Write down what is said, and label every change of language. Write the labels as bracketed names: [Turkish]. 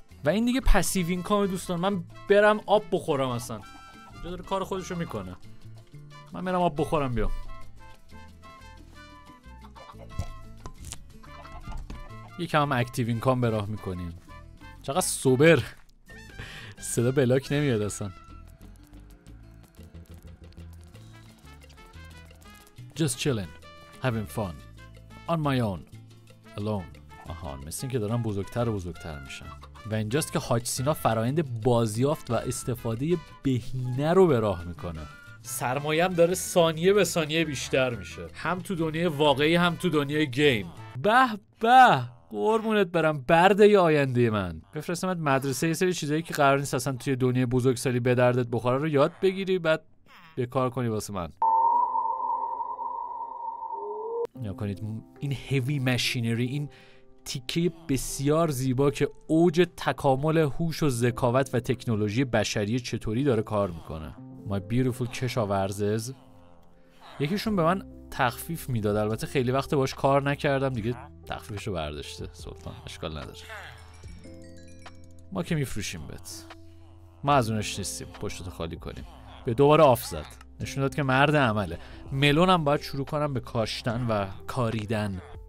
[Persian] و این دیگه پسیو اینکام دوستان، من برم آب بخورم اصلا، اینجا داره کار خودشو میکنه، من برم آب بخورم بیام. یکم هم اکتیو اینکام براه میکنیم، چقدر سوبر صدا بلاک نمیاد اصلا. [English] Just chilling, having fun, on my own, alone. [Persian] آهان، مثل این که دارم بزرگتر و بزرگتر میشم. و اینجاست که حاج سینا فرایند بازیافت و استفاده بهینه رو به راه میکنه. سرمایه هم داره ثانیه به ثانیه بیشتر میشه، هم تو دنیای واقعی هم تو دنیای گیم. به به، قربونت برم برده ی آینده من، بفرستمت مدرسه یه سری چیزایی که قرار نیست اصلا توی دنیای بزرگسالی به دردت بخوره رو یاد بگیری، بعد به کار کنی واسه من. نیا کنید این هیوی ماشینری، این تیکه بسیار زیبا که اوج تکامل هوش و ذکاوت و تکنولوژی بشری چطوری داره کار میکنه. [English] My beautiful کشاورزز. [Persian] یکیشون به من تخفیف میداد، البته خیلی وقت باش کار نکردم دیگه، تخفیفشو برداشته سلطان، اشکال نداره. ما که میفروشیم بهت، ما از اونش نیستیم، پشتتو خالی کنیم. به دوباره آف زد، نشون داد که مرد عمله. ملونم باید شروع کنم به کاشتن و کاریدن.